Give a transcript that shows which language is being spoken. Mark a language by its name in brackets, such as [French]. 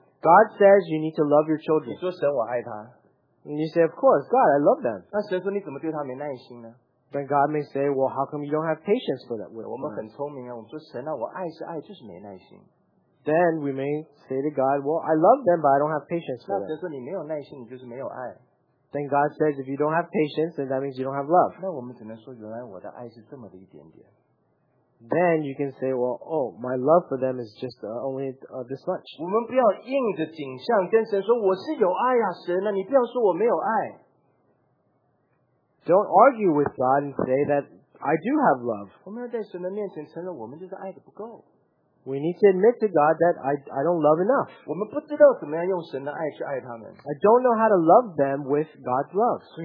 [English] God says you need to love your children. [Chinese] 你说神我爱他。 [English] And you say, of course, God, I love them. [Chinese] 那神说你怎么对他没耐心呢？ [English] Then God may say, well, how come you don't have patience for that? [Chinese] 我们很聪明啊，我们说神啊，我爱是爱，就是没耐心。 [English] Then we may say to God, well, I love them, but I don't have patience for them. [Chinese] 那神说你没有耐心，你就是没有爱。 [English] Then God says, if you don't have patience, then that means you don't have love. [Chinese] 那我们只能说，原来我的爱是这么的一点点。 [English] Then you can say, well, oh, my love for them is just only this much. [Chinese] 我们不要硬着景象跟神说，我是有爱啊，神啊，你不要说我没有爱。 [English] don't argue with God and say that I do have love. We need to admit to God that I don't love enough. I don't know how to love them with God's love.